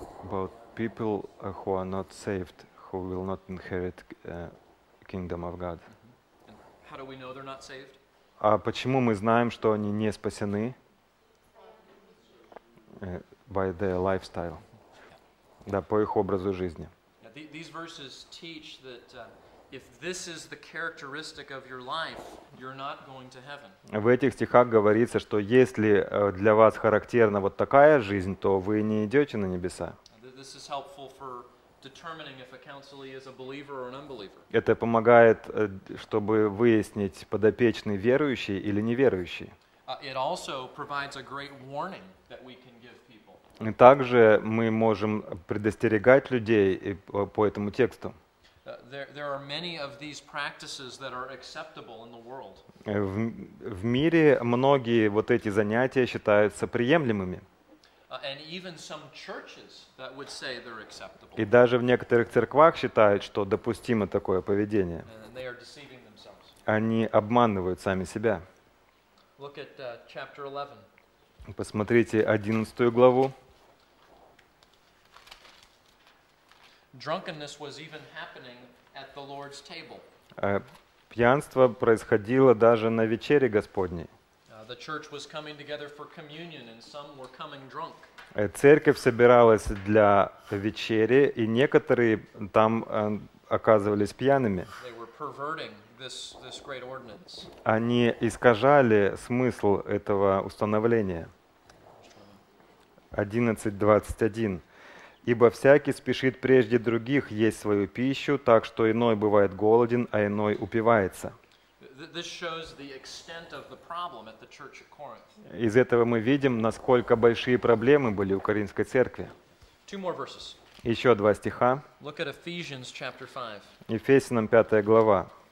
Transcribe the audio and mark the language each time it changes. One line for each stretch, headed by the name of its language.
English: About people who are not saved, who will not inherit kingdom of God. How do we know they're not saved?
Russian: А почему мы знаем, что они не спасены?
English: By their lifestyle.
Russian: Да, по их образу жизни.
English: These verses teach that if this is the characteristic of your life, you're not going to heaven.
Russian: В этих стихах говорится, что если для вас характерна вот такая жизнь, то вы не идете на небеса.
English: This is helpful for determining if a counselee is a believer or an unbeliever.
Russian: Это помогает, чтобы выяснить, подопечный верующий или неверующий.
English: It also provides a great warning that we can give people.
Russian: И также мы можем предостерегать людей по этому тексту.
English: There are many of these practices that are acceptable in the world.
Russian: В мире многие вот эти занятия считаются приемлемыми.
English: And even some churches that would say they're acceptable.
Russian: И даже в некоторых церквах считают, что допустимо такое поведение.
English: And they are deceiving themselves.
Russian: Они обманывают сами себя.
English: Look at chapter 11.
Russian: Посмотрите 11 главу.
English: Drunkenness was even happening at the Lord's table.
Russian: Пьянство происходило даже на вечере Господней.
English: The church was coming together for communion, and some were coming drunk.
Russian: Церковь собиралась для вечери, и некоторые там оказывались пьяными.
English: They were perverting this great ordinance.
Russian: Они искажали смысл этого установления.
English: 11:21.
Russian: Ибо всякий спешит прежде других есть свою пищу, так что иной бывает голоден, а иной упивается.
English: This shows the extent of the problem at the church at Corinth.
Russian: Из этого мы видим, насколько большие проблемы были у Коринфской церкви.
English: Two more verses.
Russian: Еще два стиха.
English: Look at Ephesians chapter 5.
Russian: Ефесянам 5 глава.